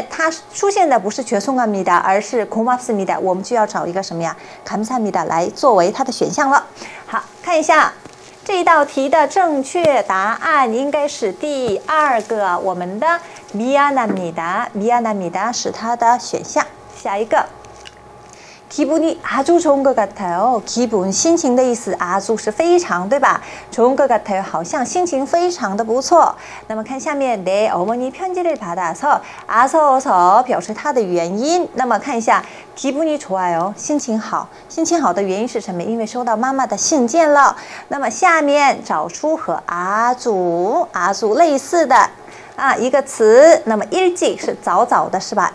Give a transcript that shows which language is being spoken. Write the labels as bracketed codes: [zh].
[zh] 那如果说，在这个句子里面，它出现的不是죄송합니다，而是 고맙습니다， 我们就要找一个什么呀， 감사합니다 来作为它的选项了。好，看一下这一道题的正确答案应该是第二个，我们的 미안합니다， 미안합니다 是它的选项。下一个。 [ko] 기분이 아주 좋은 것 같아요. [zh] 기분, 心情的意思, 아주 是非常,对吧? [ko] 좋은 것 같아요. [zh] 好像心情非常的不错。那么看下面, [ko] 내 어머니 편지를 받아서, 아서서 [zh] 表示他的原因, 那么看一下, [ko] 기분이 좋아요. [zh] 心情好, 心情好的原因是什么?因为收到妈妈的信件了, 那么下面, 找出和 아주, 아주 类似的, 一个词, 那么 일찍, 是早早的, 是吧?